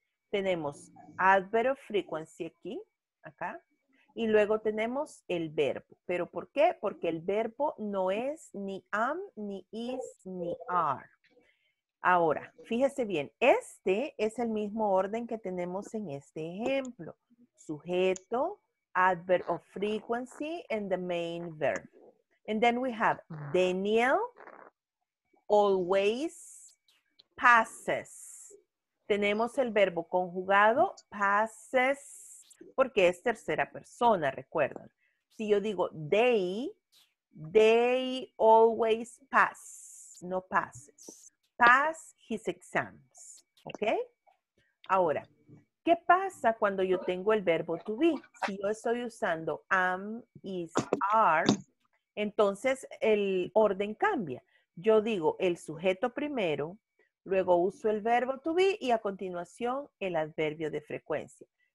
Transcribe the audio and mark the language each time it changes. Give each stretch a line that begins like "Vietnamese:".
Spanish: Tenemos
English: adverb of frequency
Spanish: aquí. Acá. Y luego tenemos el verbo. ¿Pero por qué? Porque el verbo no es ni am, ni is, ni are. Ahora, fíjese bien. Este es el mismo orden que tenemos en este ejemplo.
English: Sujeto, adverb of frequency, and the main verb. And then we have Daniel. always passes.
Spanish: Tenemos el verbo conjugado passes porque es tercera persona, recuerdan. Si yo digo
English: they always pass,
Spanish: no passes.
English: Pass his exams, ¿ok?
Spanish: Ahora, ¿qué pasa cuando yo tengo el verbo to be? Si yo estoy usando am, is, are, entonces el orden cambia. Yo digo el sujeto primero, luego uso el verbo to be y a continuación el adverbio de frecuencia.